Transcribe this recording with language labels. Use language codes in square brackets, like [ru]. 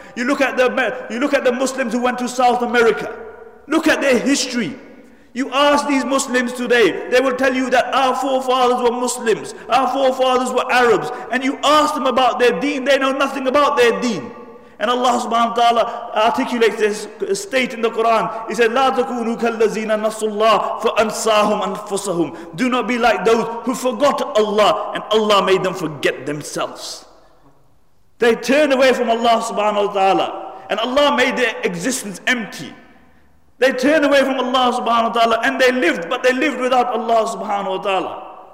[en] You look at the Muslims who went to South America. Look at their history. You ask these Muslims today, they will tell you that our forefathers were Muslims, our forefathers were Arabs, and you ask them about their deen, they know nothing about their deen. And Allah subhanahu wa ta'ala articulates this state in the Quran. He said, [ar] لَا تَكُونُوا كَالَّذِينَ نَصُوا اللَّهِ فَأَنْسَاهُمْ أَنْفُسَهُمْ. [en] Do not be like those who forgot Allah and Allah made them forget themselves. They turned away from Allah subhanahu wa ta'ala and Allah made their existence empty. They turned away from Allah subhanahu wa ta'ala and they lived, but they lived without Allah subhanahu wa ta'ala.